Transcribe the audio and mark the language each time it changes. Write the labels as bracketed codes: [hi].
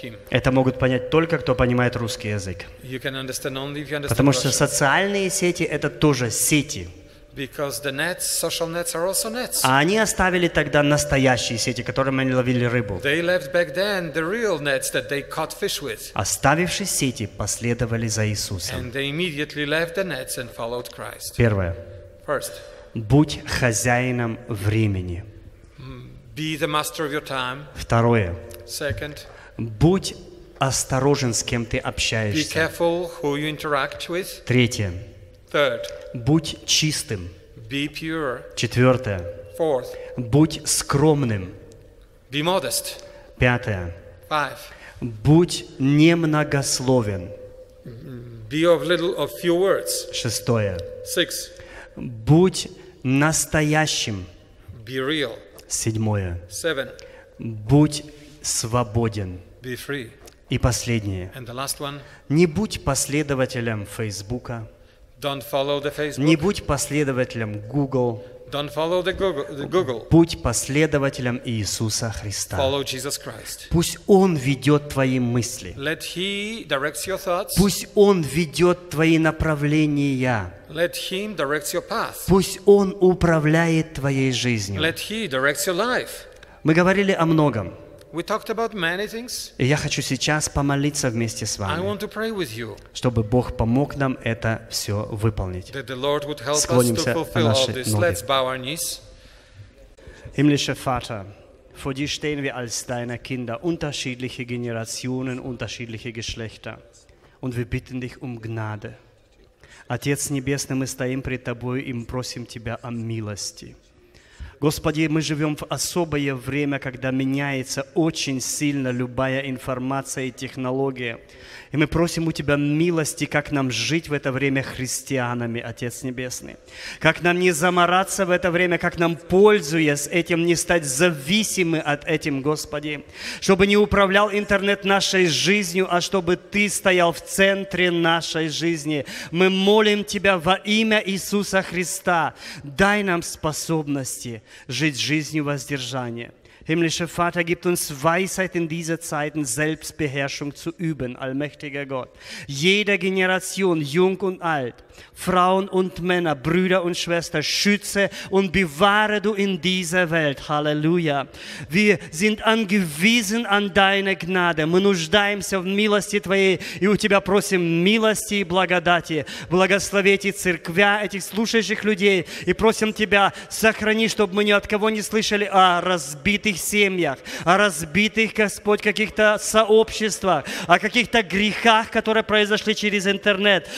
[ru] Это могут понять только, кто понимает русский язык. Потому что социальные сети – это тоже сети. [en] Because the nets, social nets are also nets. [ru] А они оставили тогда настоящие сети, которыми они ловили рыбу. [en] They left back then the real nets that they caught fish with. [ru] Оставивши сети, последовали за Иисусом. [en] And they immediately left the nets and followed Christ. [ru] Первое. [en] First. [ru] Будь хозяином времени. [en] Be the master of your time. [ru] Второе. [en] Second. [ru] Будь осторожен, с кем ты общаешься. [en] Be careful who you interact with. [ru] Третье. [en] Third. [ru] Будь чистым. [en] Be pure. [ru] Четвертое. [en] Fourth. [ru] Будь скромным. [en] Be modest. [ru] Пятое. [en] Five. [ru] Будь немногословен. [en] Be of little of few words. [ru] Шестое. [en] Six. [ru] Будь настоящим. [en] Be real. [ru] Седьмое. [en] Seven. [ru] Будь свободен. [en] Be free. [ru] И последнее. [en] And the last one. [ru] Не будь последователем Фейсбука. [en] Don't follow the Facebook. [ru] Не будь последователем Google. [en] Don't follow the Google, [ru] Будь последователем Иисуса Христа. [en] Follow Jesus Christ. [ru] Пусть Он ведет твои мысли. [en] Let He directs your thoughts. [ru] Пусть Он ведет твои направления. [en] Let Him directs your path. [ru] Пусть Он управляет твоей жизнью. [en] Let He directs your life. [ru] Мы говорили о многом. [en] We talked about many things. [ru] И я хочу сейчас помолиться вместе с вами, [en] I want to pray with you, [ru] чтобы Бог помог нам это все выполнить. [en] That the Lord would help [ru] Склонимся [en] us to fulfill [ru] наши [en] all this. [ru] Ноги. [en] Let's bow our knees. [de] Himmlischer Vater, vor dir stehen wir als deine Kinder, unterschiedliche Generationen, unterschiedliche Geschlechter. Und wir bitten dich um Gnade. [ru] Отец Небесный, мы стоим пред тобой и просим тебя о милости. Господи, мы живем в особое время, когда меняется очень сильно любая информация и технология. И мы просим у Тебя милости, как нам жить в это время христианами, Отец Небесный. Как нам не замараться в это время, как нам, пользуясь этим, не стать зависимы от этим, Господи. Чтобы не управлял интернет нашей жизнью, а чтобы Ты стоял в центре нашей жизни. Мы молим Тебя во имя Иисуса Христа. Дай нам способности жить жизнью воздержания. [de] Himmlischer Vater, gib uns Weisheit in diesen Zeiten, Selbstbeherrschung zu üben, allmächtiger Gott. Jede Generation, jung und alt, Frauen und Männer, Brüder und Schwestern, schütze und bewahre du in dieser Welt. Halleluja. Wir sind angewiesen an deine Gnade. [ru] Мы нуждаемся в милости твоей и у тебя просим милости и благодати. Благослови эти церквя, этих слушающих людей и просим тебя, сохрани, чтобы мы ни от кого не слышали о разбитых семьях, о разбитых, Господь, каких-то сообществах, о каких-то грехах, которые произошли через интернет.